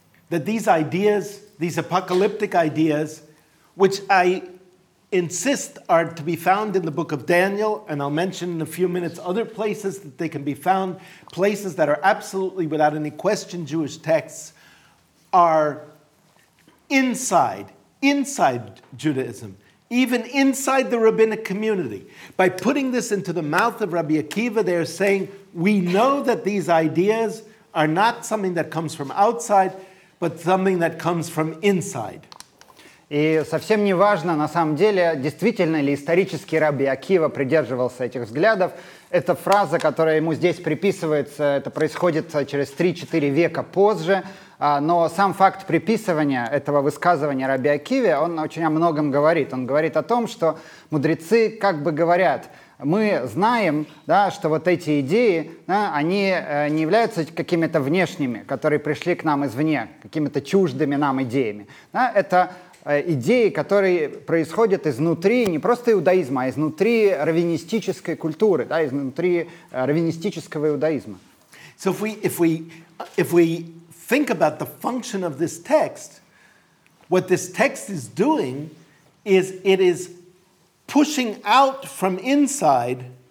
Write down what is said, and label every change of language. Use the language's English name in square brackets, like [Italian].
[English] that these ideas, these apocalyptic ideas, which I insist are to be found in the book of Daniel, and I'll mention in a few minutes other places that they can be found, places that are absolutely without any question Jewish texts, are inside Judaism, even inside the rabbinic community. By putting this into the mouth of Rabbi Akiva, they are saying, we know that these ideas are not something that comes from outside, but something that comes from inside. [Russian] И совсем не важно, на самом деле, действительно ли исторически Рабби Акива придерживался этих взглядов. Эта фраза, которая ему здесь приписывается, это происходит через 3-4 века позже. Но сам факт приписывания этого высказывания Рабби Акиве, он очень о многом говорит. Он говорит о том, что мудрецы как бы говорят, мы знаем, да, что вот эти идеи, да, они не являются какими-то внешними, которые пришли к нам извне, какими-то чуждыми нам идеями. Да, это идеи, которые происходят изнутри не просто иудаизма, а изнутри раввинистической культуры, да, изнутри раввинистического иудаизма. [English] So if we think about the function of this text, what this text is doing is it is pushing out from inside